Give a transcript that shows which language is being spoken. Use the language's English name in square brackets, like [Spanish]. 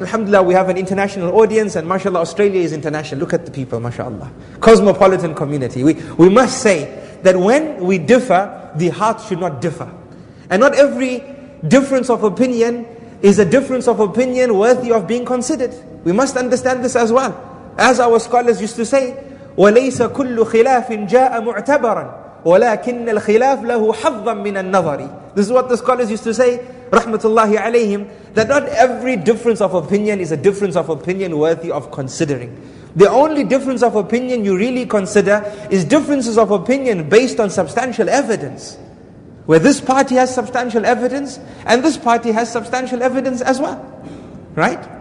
[English] Alhamdulillah, we have an international audience, and mashallah, Australia is international. Look at the people, mashallah. Cosmopolitan community. We must say that when we differ, the heart should not differ. And not every difference of opinion is a difference of opinion worthy of being considered. We must understand this as well. [Arabic] As our scholars used to say, وَلَيْسَ كُلُّ خِلَافٍ جَاءَ مُعْتَبَرًا وَلَكِنَّ الْخِلَافْ لَهُ حَظًّا مِنَ النَّظَرِ. [English] This is what the scholars used to say, rahmatullahi alayhim, that not every difference of opinion is a difference of opinion worthy of considering. The only difference of opinion you really consider is differences of opinion based on substantial evidence. Where this party has substantial evidence, and this party has substantial evidence as well. Right?